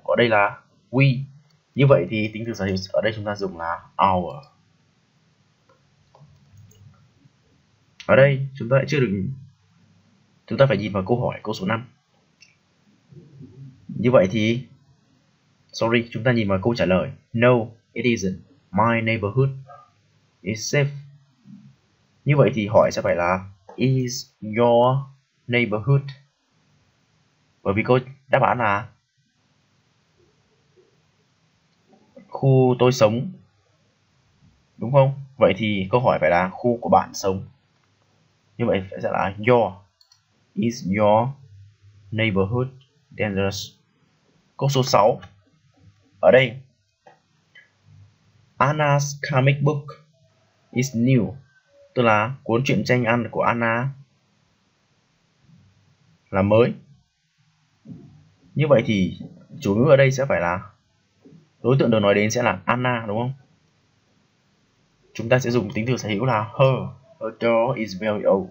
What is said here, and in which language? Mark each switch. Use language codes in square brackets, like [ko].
[vi] Ở đây là we. Như vậy thì tính từ sở hữu ở đây chúng ta dùng là our. Ở đây chúng ta lại chưa được. Chúng ta phải nhìn vào câu hỏi câu số 5. Như vậy thì sorry, chúng ta nhìn vào câu trả lời. [en] No, it isn't. My neighborhood is safe. [vi] Như vậy thì hỏi sẽ phải là [en] is your neighborhood? [vi] Bởi vì câu đáp án là khu tôi sống. Đúng không? Vậy thì câu hỏi phải là khu của bạn sống. Như vậy sẽ là your. [en] Is your neighborhood dangerous? [vi] Câu số 6. Ở đây [en] Anna's comic book is new. [vi] Tức là cuốn truyện tranh ăn của Anna là mới. Như vậy thì chủ ngữ ở đây sẽ phải là đối tượng được nói đến sẽ là Anna, đúng không? Chúng ta sẽ dùng tính từ sở hữu là her. [en] Her doll is very old.